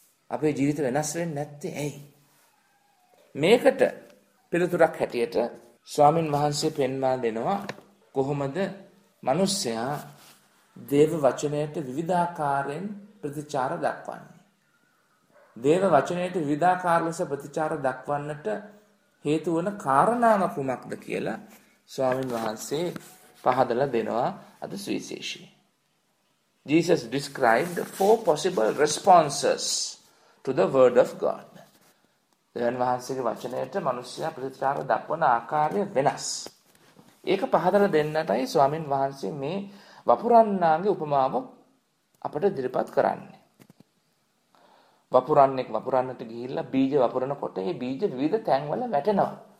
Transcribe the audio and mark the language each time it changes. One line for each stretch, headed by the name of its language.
Sinhala: අපේ ජීවිත වෙනස් වෙන්නේ නැත්තේ ඇයි? මේකට පිළිතුරක් හැටියට ස්වාමින් වහන්සේ පෙන්වා දෙනවා කොහොමද මිනිස්සයා දේව වචනයට විවිධාකාරයෙන් ප්‍රතිචාර දක්වන්නේ. දේව වචනයට විවිධාකාර ලෙස ප්‍රතිචාර දක්වන්නට හේතු වන කාරණාව කුමක්ද කියලා ස්වාමින් වහන්සේ පහදලා දෙනවා. අද සුවිශේෂී.
English: Jesus described 4 possible responses to the word of God.
Sinhala: දෙවන වහන්සේගේ වචනයට මිනිස්සයා ප්‍රතිචාර දක්වන ආකාරය වෙනස්. ඒක පහදලා දෙන්නටයි ස්වාමින් වහන්සේ මේ වපුරන්නාගේ උපමාව අපට ඉදිරිපත් කරන්නේ. වපුරන්නෙක් වපුරන්නට ගිහිල්ලා බීජ වපුරනකොට මේ බීජ විවිධ තැන්වල වැටෙනවා.